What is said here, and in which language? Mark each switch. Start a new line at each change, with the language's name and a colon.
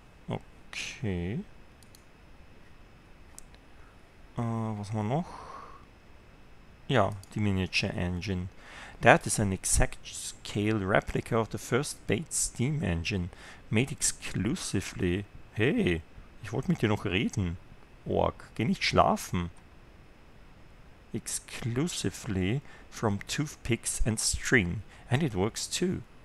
German: Okay. Was haben wir noch? Ja, die Miniature Engine.
English: That is an exact scale replica of the first Bait Steam Engine, made exclusively.
German: Hey, ich wollte mit dir noch reden. Org, geh nicht schlafen.
English: exclusively from toothpicks and string, and it works too.